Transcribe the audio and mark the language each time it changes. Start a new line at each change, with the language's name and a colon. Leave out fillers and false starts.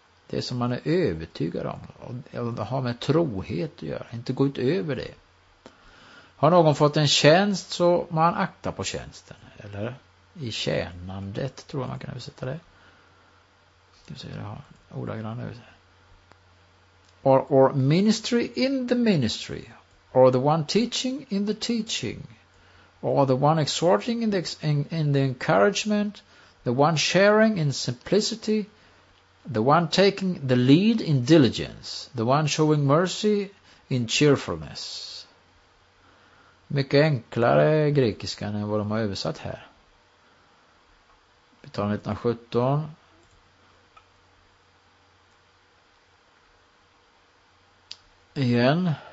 Swedish: Det som man är övertygad om. Och ha med trohet att göra. Inte gå utöver det. Har någon fått en tjänst så man aktar på tjänsten. Eller i tjänandet tror jag man kan översätta det. Ska vi se, jag har ordagrann översätt.
English: Or ministry in the ministry. Or the one teaching in the teaching. or the one exhorting in the encouragement, the one sharing in simplicity, the one taking the lead in diligence, the one showing mercy in cheerfulness.
Swedish: Mycket enklare grekiska än vad de har översatt här. Vi tar 1917. Igen.